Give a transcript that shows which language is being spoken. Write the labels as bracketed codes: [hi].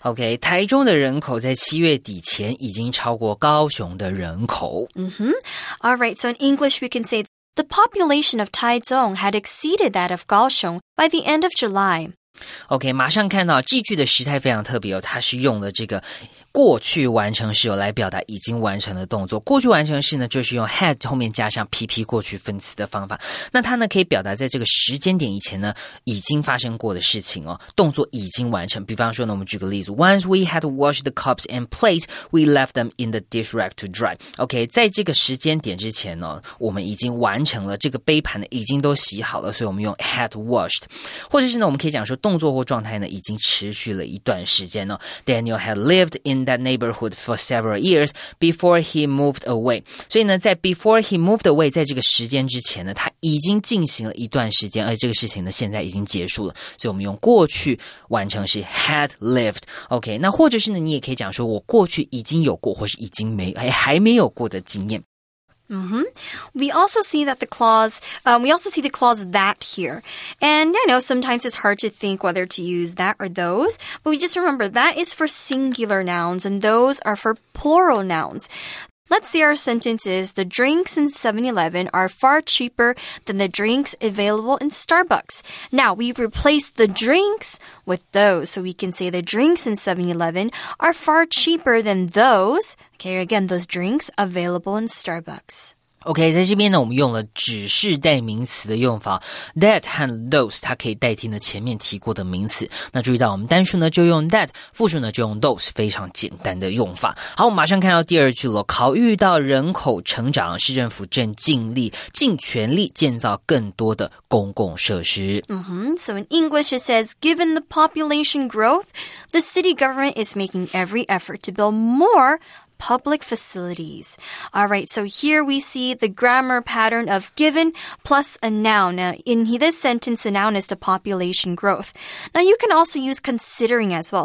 [zh] Okay, 台中的人口在七月底前已经超过高雄的人口。 [en] Alright, so in English we can say, the population of Taizong had exceeded that of Kaohsiung by the end of July. [zh] Okay, 马上看到这句的时态非常特别哦，它是用了这个过去完成式来表达已经完成的动作。过去完成式呢，就是用 had 后面加上 PP 过去分词的方法。那它呢，可以表达在这个时间点以前呢，已经发生过的事情哦，动作已经完成。比方说呢，我们举个例子 [en] ，Once we had washed the cups and plates, we left them in the dish rack to dry. [zh] OK， 在这个时间点之前呢，我们已经完成了这个杯盘呢，已经都洗好了，所以我们用 [en] had washed， [zh] 或者是呢，我们可以讲说动作或状态呢，已经持续了一段时间哦。 [en] Daniel had lived in that neighborhood for several years before he moved away. [zh] 所以呢，在 [en] before he moved away [zh] 在这个时间之前呢，他已经进行了一段时间，而这个事情呢，现在已经结束了。所以我们用过去完成是 [en] had lived. [zh] OK, 那或者是呢，你也可以讲说我过去已经有过，或是已经没，还没有过的经验。 [en] We also see that the clause, we also see the clause that here. And I know sometimes it's hard to think whether to use that or those, but we just remember that is for singular nouns and those are for plural nouns. Let's see our sentences. The drinks in 7-Eleven are far cheaper than the drinks available in Starbucks. Now, we replace the drinks with those. So we can say the drinks in 7-Eleven are far cheaper than those. Okay, again, those drinks available in Starbucks. [zh] OK, 在这边呢我们用了指示代名词的用法 that 和 those 它可以代替呢前面提过的名词那注意到我们单数呢就用 that 复数呢就用 those 非常简单的用法好我们马上看到第二句了考虑到人口成长市政府正尽全力建造更多的公共设施、 [en] So in English it says given the population growth the city government is making every effort to build morepublic facilities. All right, so here we see the grammar pattern of given plus a noun. Now, in this sentence, the noun is the population growth. Now, you can also use considering as well.